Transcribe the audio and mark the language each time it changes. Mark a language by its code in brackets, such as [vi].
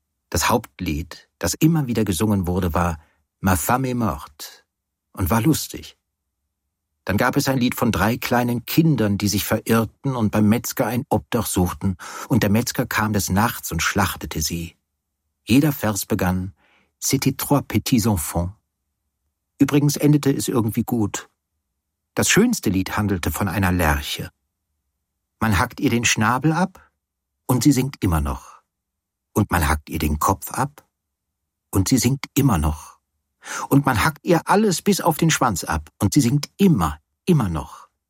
[de] Das Hauptlied, das immer wieder gesungen wurde, war » [fr] Ma femme est morte« [de] und war lustig. Dann gab es ein Lied von 3 kleinen Kindern, die sich verirrten und beim Metzger ein Obdach suchten, und der Metzger kam des Nachts und schlachtete sie. Jeder Vers begann » [fr] C'était 3 petits enfants«. [de] Übrigens endete es irgendwie gut. Das schönste Lied handelte von einer Lerche. Man hackt ihr den Schnabel ab und sie singt immer noch. Und man hackt ihr den Kopf ab und sie singt immer noch. Und man hackt ihr alles bis auf den Schwanz ab, und sie singt immer, immer noch.